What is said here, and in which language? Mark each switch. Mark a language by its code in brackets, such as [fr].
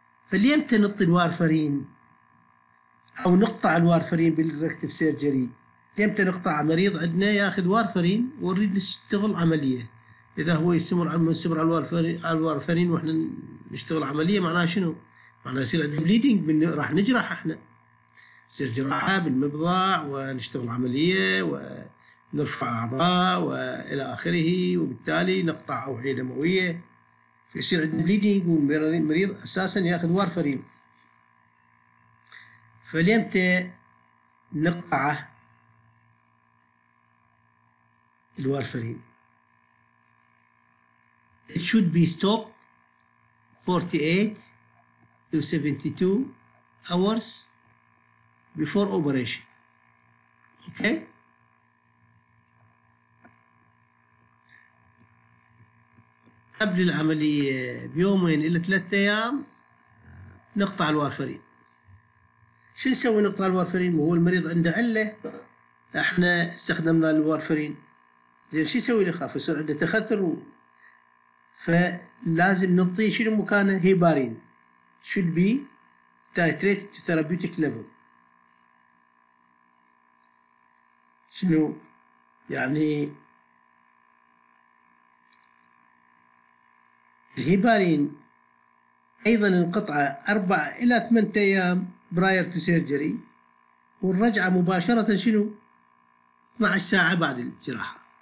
[ar] فليمتى نطي الوارفرين أو نقطع الوارفرين بالelective surgery؟ يمتى نقطع مريض عندنا ياخذ وارفرين ونريد نشتغل عملية؟ إذا هو يستمر على الوارفرين وإحنا نشتغل عملية، معناه شنو؟ معناه يصير عندنا بليدنج، راح نجرح إحنا، يصير جراحة بالمبضع ونشتغل عملية ونرفع أعضاء وإلى آخره، وبالتالي نقطع أوعية دموية، فيصير عندنا بليدنج والمريض أساسا ياخذ وارفرين. فليمتى نقطعه الوارفرين؟ [en] It should be stopped 48 to 72 hours before operation. Okay? [ar] قبل العملية بيومين إلى ثلاثة أيام نقطع الوارفرين. شو نسوي نقطع الوارفرين؟ هو المريض عنده علة، إحنا استخدمنا الوارفرين، زين شو يسوي؟ يخاف، يصير عنده تخثر، فلازم نعطيه شنو مكانه؟ هيبارين. [en] should be titrated to therapeutic level. [ar] شنو يعني الهيبارين؟ ايضا انقطع 4 إلى 8 أيام [en] prior to surgery، [ar] والرجعة مباشرة شنو؟ 12 ساعة بعد الجراحة.